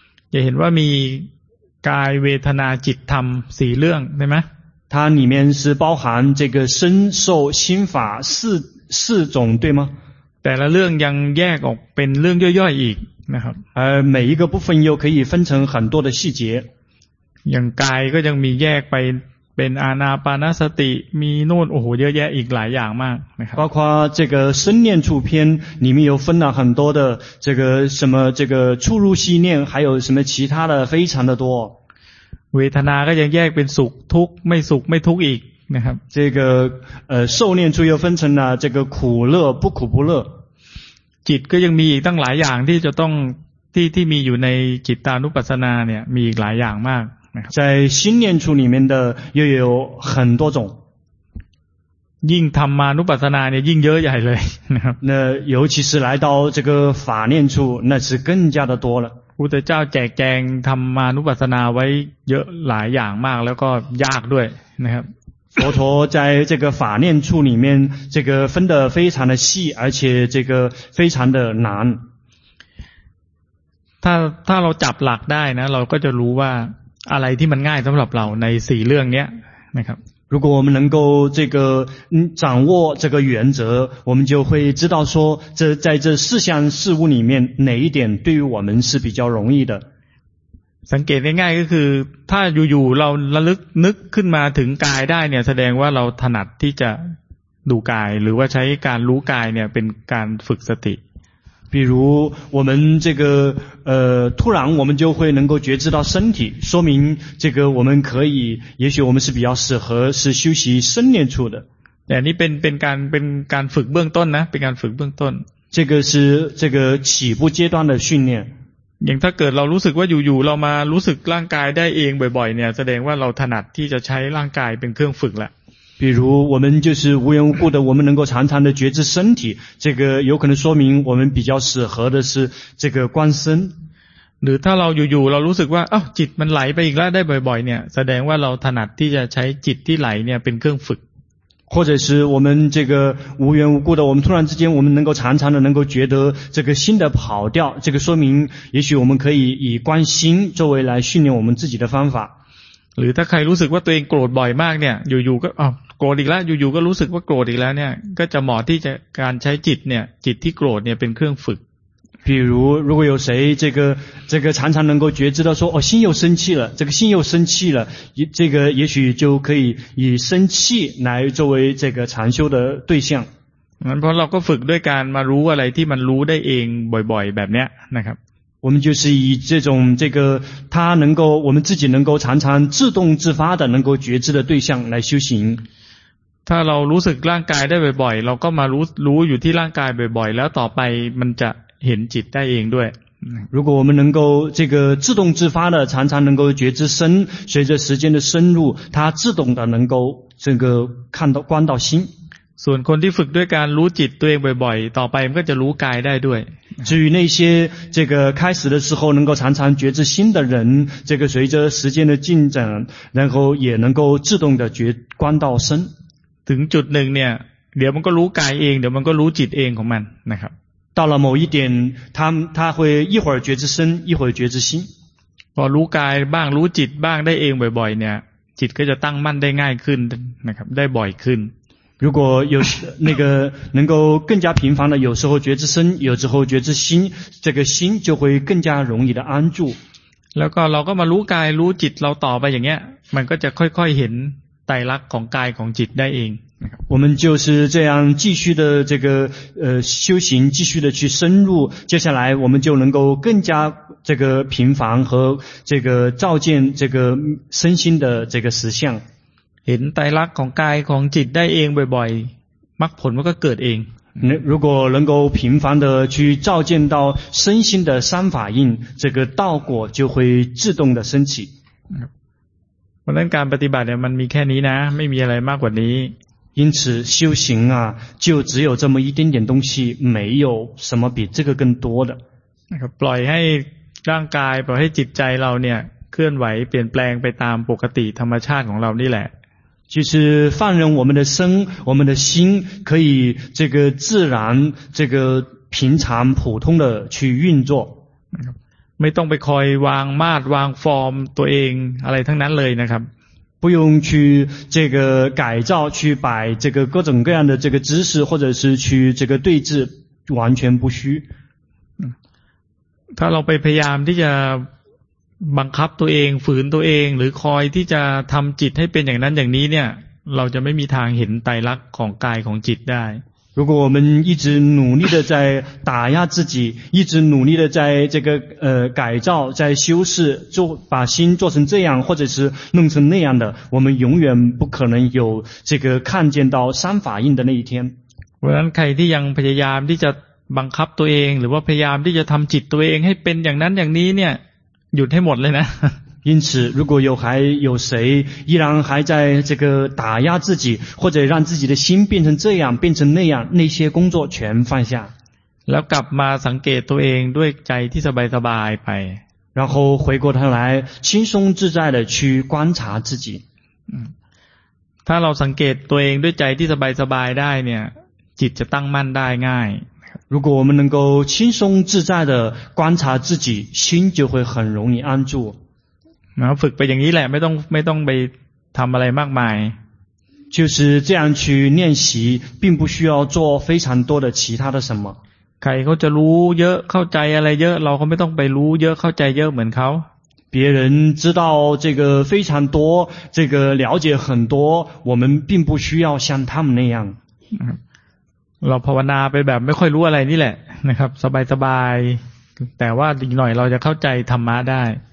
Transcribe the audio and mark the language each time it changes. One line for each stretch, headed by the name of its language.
Thai: 也เห็นว่ามีกายเวทนาจิตธรรม4เรื่องได้มั้ย
Chinese: 它里面是包含这个身受心法四种对吗
Thai: แต่ละเรื่องยังแยกออกเป็นเรื่องย่อยๆอีกนะครับ
Chinese: 每一个部分又可以分成很多的细节
Thai: อย่างกายก็ยังมีแยกไป ป็นอานาปานสติมีโน่นโอ้โหเยอะแยะอีกหลายอย่างมากนะครับ
Chinese: 包括这个身念处篇里面有分了很多的这个什么这个出入息念还有什么其他的非常的多
Thai: เวทนาก็ยังแยกเป็นสุขทุกข์ไม่สุขไม่ทุกข์อีกนะครับ
Chinese: 这个受念处又分成了这个苦乐不苦不乐
Thai: จิตก็ยังมีอีกตั้งหลายอย่างที่จะต้องที่มีอยู่ในจิตตานุปัสสนาเนี่ยมีอีกหลายอย่างมาก
Chinese: 在心念处里面的又有很多种
Thai: ยิ่งธรรมานุปัสสนาเนี่ยยิ่งเยอะใหญ่เลยนะครับ
Chinese: 那尤其是来到这个法念处那是更加的多了
Thai: พุทธเจ้าแจกแจงธรรมานุปัสสนาไว้เยอะหลายอย่างมากแล้วก็ยากด้วยนะครับ
Chinese: 佛陀在这个法念处里面这个分得非常的细而且这个非常的难
Thai: ถ้าเราจับหลักได้นะเราก็จะรู้ว่าอะไรที่มันง่ายสำหรับเราในสี่เรื่องนี้นะครับ
Chinese: 如果我们能够这个掌握这个原则我们就会知道说这在这四项事物里面哪一点对于我们是比较容易的
Thai: สังเกตง่ายก็คือถ้าอยู่ๆเราระลึกนึกขึ้นมาถึงกายได้เนี่ยแสดงว่าเราถนัดที่จะดูกายหรือว่าใช้การรู้กายเนี่ยเป็นการฝึกสติ
Chinese: 比如我们这个突然我们就会能够觉知到身体说明这个我们可以也许我们是比较适合是修习身念处的
Thai: นี่เป็นการฝึกเบื้องต้นนะเป็นการฝึกเบื้องต้น
Chinese: 这个是这个起步阶段的训练
Thai: อย่างถ้าเกิดเรารู้สึกว่าอยู่เรามารู้สึกร่างกายได้เองบ่อยๆเนี่ยแสดงว่าเราถนัดที่จะใช้ร่างกายเป็นเครื่องฝึกละ
Chinese: 比如我们就是无缘无故的我们能够常常的觉知身体这个有可能说明我们比较适合的是这个观身
Thai: หรือถ้าเราอยู่เรารู้สึกว่าอ้าวจิตมันไหลไปอีกแล้วได้บ่อยๆเนี่ยแสดงว่าเราถนัดที่จะใช้จิตที่ไหลเนี่ยเป็นเครื่องฝึก
Chinese: 或者是我们这个无缘无故的我们突然之间我们能够常常的能够觉得这个心的跑掉这个说明也许我们可以以观心作为来训练我们自己的方法
Thai: หรือถ้าใครรู้สึกว่าตัวเองโกรธบ่อยมากเนี่ยอยู่ๆก็โกรธอีกแล้วอยู่ๆก็รู้สึกว่าโกรธอีกแล้วเนี่ยก็จะเหมาะที่จะการใช้จิตเนี่ยจิตที่โกรธเนี่ยเป็นเครื่องฝึก
Chinese: 比如如果有谁这个常常能够觉知到说哦心又生气了这个心又生气了这个也许就可以以生气来作为这个禅修的对象
Thai: งั้นเพราะเราก็ฝึกด้วยการมารู้อะไรที่มันรู้ได้เองบ่อยๆแบบเนี้ยนะครับ
Chinese: 我们就是以这种这个他能够我们自己能够常常自动自发的能够觉知的对象来修行
Thai: ถ้าเรารู้สึกร่างกายได้บ่อยๆเราก็มารู้อยู่ที่ร่างกายบ่อยๆแล้วต่อไปมันจะเห็นจิตได้เองด้วย
Chinese: 如果我们能够这个自动自发的常常能够觉知身随着时间的深入它自动的能够这个看到观到心
Thai: ส่วนคนที่ฝึกด้วยการรู้จิตตัวเองบ่อยๆต่อไปมันก็จะรู้กายได้ด้วย
Chinese: 至于那些这个开始的时候能够常常觉知心的人这个随着时间的进展然后也能够自动的觉观到身
Thai: ถึงจุดหนึ่งเนี่ยเดี๋ยวมันก็รู้กายเองเดี๋ยวมันก็รู้จิตเองของมันนะครับ
Chinese: 到了某一点他会一会儿觉知身一会儿觉知心
Thai: พอรู้กายบ้างรู้จิตบ้างได้เองบ่อยๆเนี่ยจิตก็จะตั้งมั่นได้ง่ายขึ้นนะครับได้บ่อยขึ้น
Chinese: 如果有那个能够更加频繁的有时候觉知身有时候觉知心这个心就会更加容易的安住
Thai: แล้วก็เราก็มารู้กายรู้จิตเราต่อไปอย่างเงี้ยมันก็จะค่อยๆเห็นไตรลักษณ์ของกายของจิตได้เอง
Chinese: 我们就是这样继续的这个修行继续的去深入接下来我们就能够更加这个频繁和这个照见这个身心的这个实相
Thai: เห็นไตรลักษณ์ของกายของจิตได้เองบ่อยๆมรรคผลมันก็เกิดเอง
Chinese: 如果能够频繁的去照见到身心的三法印这个道果就会自动的升起
Thai: เพราะฉะนั้นการปฏิบัติเนี่ยมันมีแค่นี้นะไม่มีอะไรมากกว่านี้
Chinese: 因此修行啊就只有这么一点点东西没有什么比这个更多的
Thai: ปล่อยให้ร่างกายปล่อยให้จิตใจเราเนี่ยเคลื่อนไหวเปลี่ยนแปลงไปตามปกติธรรมชาติของเรานี่แหละ
Chinese: 就是放任我们的身我们的心可以这个自然这个平常普通的去运作
Thai: ไม่ต้องไปคอยวางมาตรวางฟอร์มตัวเองอะไรทั้งนั้นเลยนะครับ
Chinese: 不用去这个改造去摆这个各种各样的这个姿势或者是去这个对峙完全不需
Thai: ถ้าเราไปพยายามที่จะ บังคับตัวเองฝืนตัวเองหรือคอยที่จะทำจิตให้เป็นอย่างนั้นอย่างนี้เนี่ยเราจะไม่มีทางเห็นไตรลักษณ์ของกายของจิตได้
Chinese: 如果我们一直努力的在打压自己，一直努力的在这个改造，在修饰，就把心做成这样，或者是弄成那样的，我们永远不可能有这个看见到三法印的那一天。我们
Thai: ใครที่ยังพยายามที่จะบังคับตัวเองหรือว่าพยายามที่จะทำจิตตัวเองให้เป็นอย่างนั้นอย่างนี้เนี่ยหยุดให้หมดเลยนะ
Chinese: 因此如果有还有谁依然还在这个打压自己或者让自己的心变成这样变成那样那些工作全放下
Thai: แล้วกลับมาสังเกตตัวเองด้วยใจที่สบายๆไป
Chinese: 然后回过头来轻松自在的去观察自己
Thai: ถ้าเราสังเกตตัวเองด้วยใจที่สบายๆได้เนี่ยจิตจะตั้งมั่นได้ง่าย
Chinese: 如果我们能够轻松自在的观察自己心就会很容易安住然后
Thai: ฝึกไปอย่างนี้แหละไม่ต้องไปทำอะไรมากมาย
Chinese: 就是这样去练习并不需要做非常多的其他的什么
Thai: ใครเขาจะรู้เยอะเข้าใจอะไรเยอะเราก็ไม่ต้องไปรู้เยอะเข้าใจเยอะเหมือนเขา
Chinese: 别人知道这个非常多这个了解很多我们并不需要像他们那样
Thai: เราภาวนาไปแบบไม่ค่อยรู้อะไรนี่แหละนะครับสบายสบายแต่ว่าอีกหน่อยเราจะเข้าใจธรรมะได้